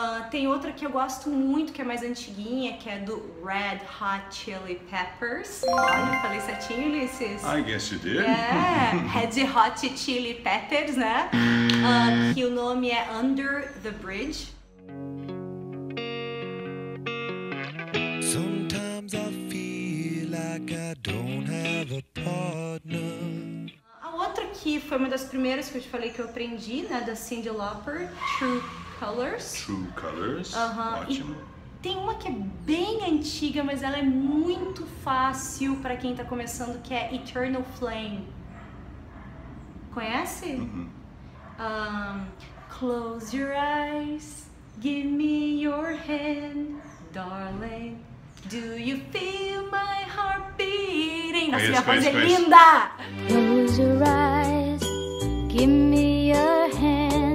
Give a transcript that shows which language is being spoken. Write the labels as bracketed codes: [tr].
[pt] Tem outra que eu gosto muito, que é mais antiguinha, que é do Red Hot Chili Peppers. Falei certinho, Ulisses? [en] I guess you did. Yeah. [pt] Red Hot Chili Peppers, né? Que o nome é Under the Bridge. [en] Sometimes I feel like I don't have a partner. [pt] A outra que foi uma das primeiras que eu te falei que eu aprendi, né? Da Cyndi Lauper, True Colors. Ótimo. E tem uma que é bem antiga, mas ela é muito fácil pra quem tá começando, que é Eternal Flame. Conhece? Uh-uh. [en] Close your eyes, give me your hand, darling. Do you feel my heart beating? [pt] Nossa, minha voz é linda! [en] Close your eyes, give me your hand.